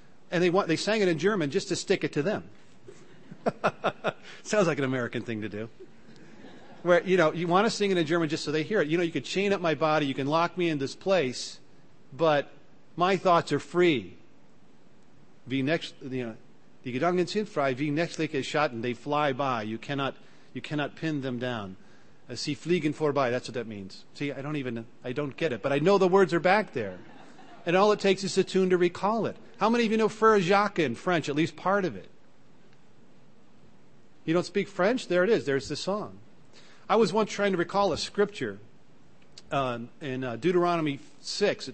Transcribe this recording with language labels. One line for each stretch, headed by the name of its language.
English: And they sang it in German just to stick it to them. Sounds like an American thing to do. Where, you know, you want to sing it in German just so they hear it. You know, you could chain up my body, you can lock me in this place, but my thoughts are free.
German: Die Gedanken sind frei, wie nächtliche Schatten,
English: they fly by. You cannot pin them down.
German: Sie fliegen vorbei,
English: that's what that means. See, I don't get it, but I know the words are back there. And all it takes is a tune to recall it. How many of you know Frère Jacques in French, at least part of it? You don't speak French? There it is, there's the song. I was once trying to recall a scripture in Deuteronomy 6.